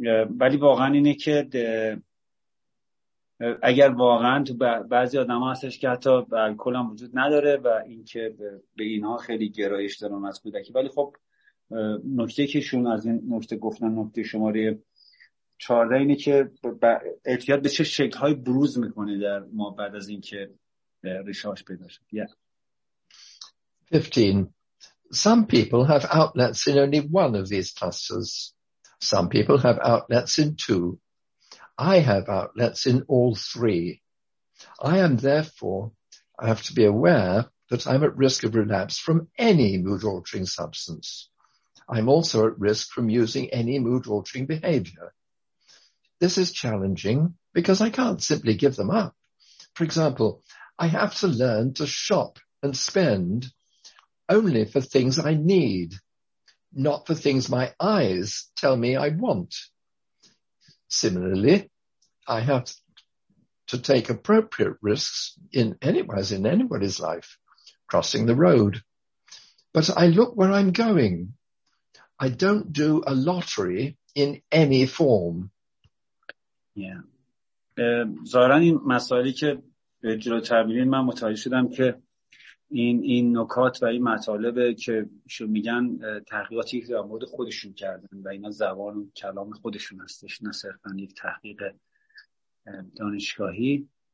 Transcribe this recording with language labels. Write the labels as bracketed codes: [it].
[fa] ولی واقعا اینه که اگر واقعا تو بعضی آدم ها هستش که حتی الکل هم وجود نداره و اینکه به اینها خیلی گرایش دارن از کودکی. ولی خب نکته که شون از این نکته گفتن، نکته شماره 14 اینه که اعتیاد به چه شکل‌های بروز میکنه در ما بعد از اینکه ریشه‌اش پیدا شد. [en] Yeah. 15. Some people have outlets in only one of these clusters. Some people have outlets in two. I have outlets in all three. I am therefore, I have to be aware that I'm at risk of relapse from any mood-altering substance. I'm also at risk from using any mood-altering behavior. This is challenging because I can't simply give them up. For example, I have to learn to shop and spend only for things I need, not for things my eyes tell me I want. Similarly, I have to take appropriate risks in anybody's life, crossing the road. But I look where I'm going. I don't do a lottery in any form. Yeah. [fa] ظاهراً این مسائلی که جلو تبیین من متوجه شدم که این نکات و این مطالب که شون میگن تحقیقاتی که در مورد خودشون کردن و اینا زبان و کلام خودشون هستش، نه صرفا یک تحقیق دانشگاهی.